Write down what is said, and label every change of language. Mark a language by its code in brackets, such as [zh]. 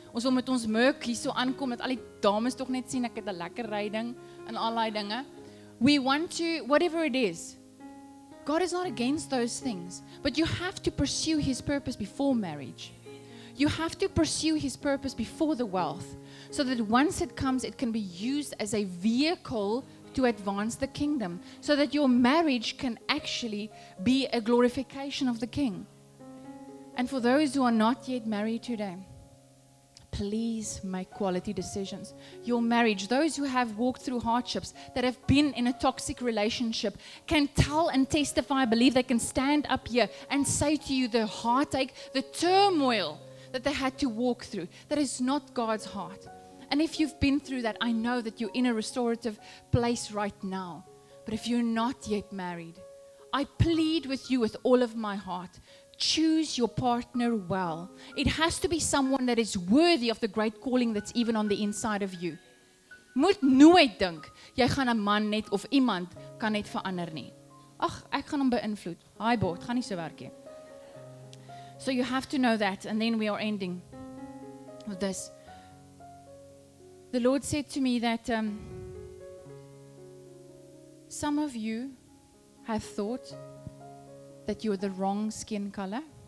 [af] Ons wil met ons merk hier so aankom dat al die dames tog net sien ek het 'n lekker ryding en al daai dinge. [en] We want to, whatever it is. God is not against those things. But you have to pursue his purpose before marriage. You have to pursue his purpose before the wealth, so that once it comes, it can be used as a vehicle to advance the kingdom, so that your marriage can actually be a glorification of the King. And for those who are not yet married today, please make quality decisions. Your marriage, those who have walked through hardships, that have been in a toxic relationship, can tell and testify, I believe they can stand up here and say to you the heartache, the turmoil that they had to walk through. That is not God's heart. And if you've been through that, I know that you're in a restorative place right now. But if you're not yet married, I plead with you with all of my heart. Choose your partner well. It has to be someone that is worthy of the great calling that's even on the inside of you. [af] Moet nooit dink jy gaan 'n man net of iemand kan net verander nie. Ag, ek gaan hom beïnvloed. Hi bot, gaan nie so werk nie. [en] So you have to know that, and then we are ending with this. The Lord said to me that some of you have thought that you are the wrong skin color.